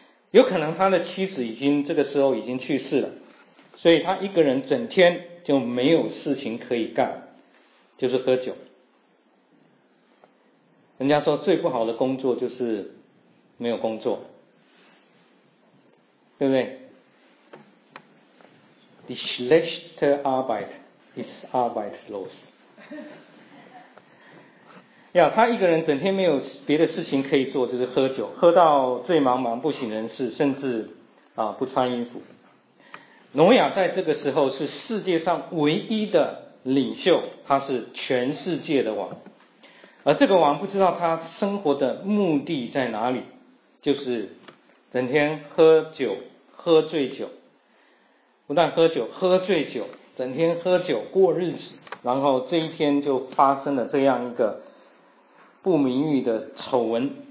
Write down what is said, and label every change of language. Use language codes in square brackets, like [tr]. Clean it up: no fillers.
[zh] 有可能他的妻子已经这个时候已经去世了，所以他一个人整天就没有事情可以干，就是喝酒。人家说最不好的工作就是没有工作，对不对？ [de] Die schlechte Arbeit ist arbeitslos。 [zh] Yeah, 他一个人整天没有别的事情可以做，就是喝酒，喝到醉茫茫不省人事，甚至不穿衣服。挪亚在这个时候是世界上唯一的领袖，他是全世界的王，而这个王不知道他生活的目的在哪里，就是整天喝酒喝醉酒，不但喝酒喝醉酒，整天喝酒过日子，然后这一天就发生了这样一个不名誉的丑闻。